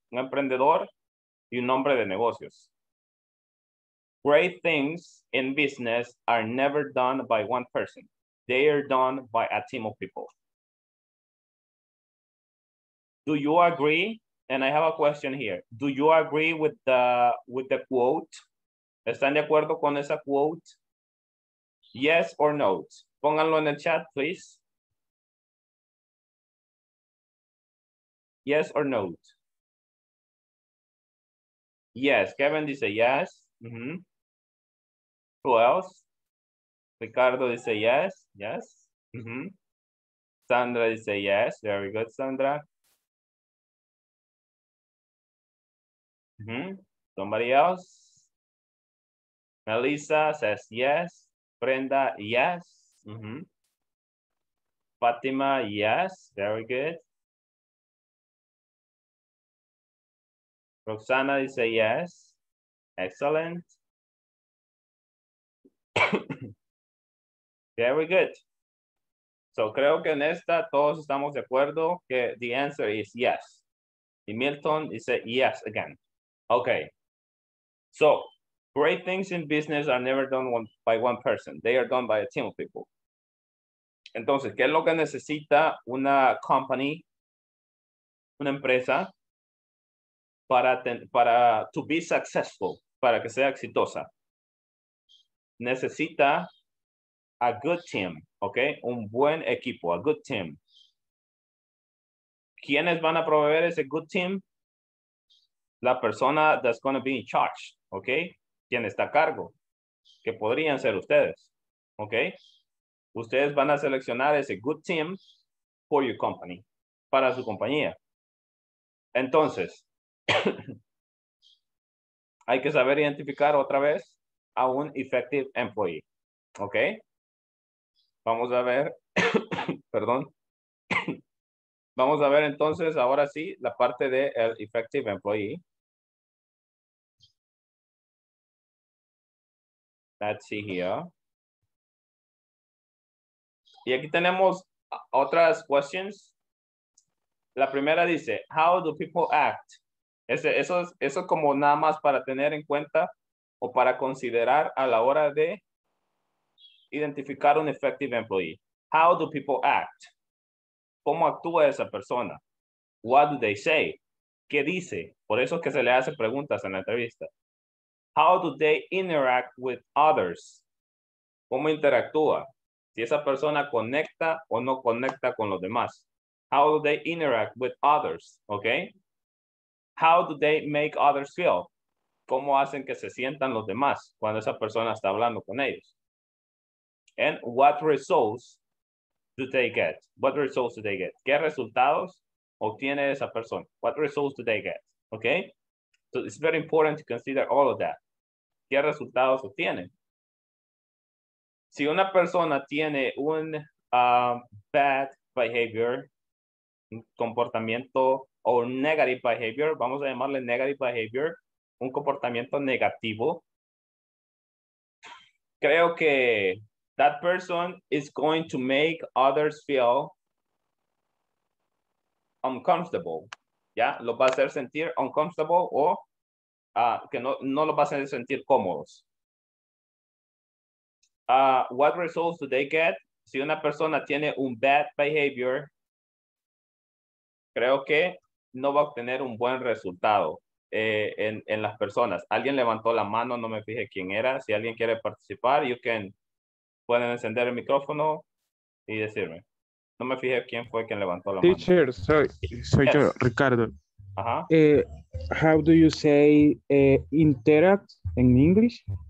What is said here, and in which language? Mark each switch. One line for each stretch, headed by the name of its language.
Spanish: Un emprendedor y un hombre de negocios.
English: Great things in business are never done by one person. They are done by a team of people. Do you agree? And I have a question here. Do you agree with the quote?
Spanish: ¿Están de acuerdo con esa quote?
English: Yes or no?
Spanish: Pónganlo en el chat, please.
English: Yes or no? Yes. Kevin dice yes. Who else? Ricardo dice yes. Yes. Sandra dice yes. Very good, Sandra. Somebody else? Melissa says yes. Brenda, yes. Fatima, yes. Very good. Roxana dice yes. Excellent. Very good.
Spanish: So creo que en esta todos estamos de acuerdo que
English: the answer is yes.
Spanish: Y Milton dice
English: yes again. Okay, so great things in business are never done by one person. They are done by a team of people.
Spanish: Entonces, ¿qué es lo que necesita una company, una empresa, para
English: to be successful,
Spanish: para que sea exitosa?
English: Necesita a good team, okay?
Spanish: Un buen equipo,
English: a good team.
Spanish: ¿Quiénes van a proveer ese good team? La persona
English: that's going to be in charge, okay?
Spanish: Quien está a cargo, que podrían ser ustedes, okay? Ustedes van a seleccionar ese good team
English: for your company,
Spanish: para su compañía. Entonces, hay que saber identificar otra vez a un effective employee, okay? Vamos a ver, perdón. Vamos a ver entonces, ahora sí, la parte de el effective employee.
English: Let's see here.
Spanish: Y aquí tenemos otras questions. La primera dice,
English: how do people act?
Spanish: Eso es como nada más para tener en cuenta o para considerar a la hora de identificar un effective employee.
English: How do people act?
Spanish: ¿Cómo actúa esa persona?
English: What do they say?
Spanish: ¿Qué dice? Por eso es que se le hace preguntas en la entrevista.
English: How do they interact with others?
Spanish: ¿Cómo interactúa? Si esa persona conecta o no conecta con los demás.
English: How do they interact with others? Okay. How do they make others feel?
Spanish: cómo hacen que se sientan los demás cuando esa persona está hablando con ellos.
English: And what results do they get? What results do they get?
Spanish: ¿Qué resultados obtiene esa persona?
English: What results do they get? Okay? So it's very important to consider all of that.
Spanish: ¿Qué resultados obtienen? Si una persona tiene un bad behavior, un comportamiento o negative behavior, vamos a llamarle negative behavior, un comportamiento negativo, creo que
English: that person is going to make others feel uncomfortable.
Spanish: ¿Ya? Lo va a hacer sentir uncomfortable o que no lo va a hacer sentir cómodos.
English: What results do they get?
Spanish: Si una persona tiene un bad behavior, creo que no va a obtener un buen resultado en las personas. Alguien levantó la mano, no me fijé quién era. Si alguien quiere participar,
English: you can...
Spanish: Pueden encender el micrófono y decirme. No me fijé quién fue quien levantó la
English: teacher,
Spanish: mano. Teacher, soy yes. Yo, Ricardo. Ajá.
English: How do you say interact in English?